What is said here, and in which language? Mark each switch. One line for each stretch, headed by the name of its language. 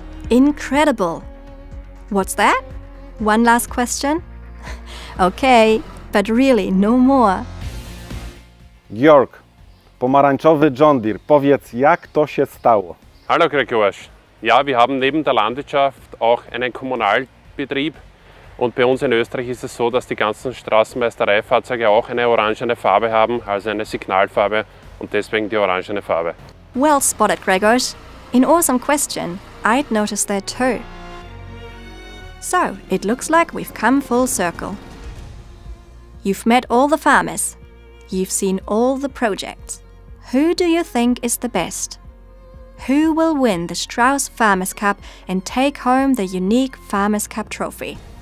English: Incredible. What's that? One last question? Okay. But really, no more.
Polish: Georg, pomarańczowy John Deere, powiedz, jak to się stało?
German: Hallo Gregor. Ja, wir haben neben der Landwirtschaft auch einen Kommunalbetrieb. Und bei uns in Österreich ist es so, dass die ganzen Straßenmeistereifahrzeuge auch eine orangene Farbe haben, also eine Signalfarbe und deswegen die orangene Farbe.
English: Well spotted, Gregor. In awesome question, I'd noticed that too. So, it looks like we've come full circle. You've met all the farmers. You've seen all the projects. Who do you think is the best? Who will win the Strauss Farmers Cup and take home the unique Farmers Cup trophy?